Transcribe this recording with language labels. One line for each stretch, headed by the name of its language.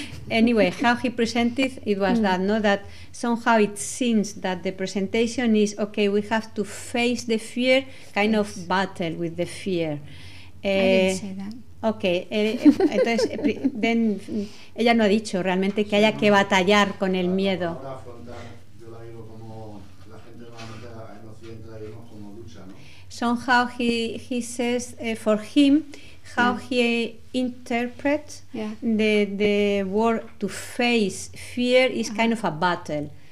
English: Anyway, how he presented it was that, no? That somehow it seems that the presentation is, okay, we have to face the fear, kind of battle with the fear. I didn't say that.
Spanish: Entonces, ella no ha dicho realmente que haya que batallar con el miedo. Ahora afrontar, yo la digo como la gente normalmente en Occidente la vemos como lucha, ¿no?
English: Somehow he says for him how he interprets the word to face fear is kind of a battle.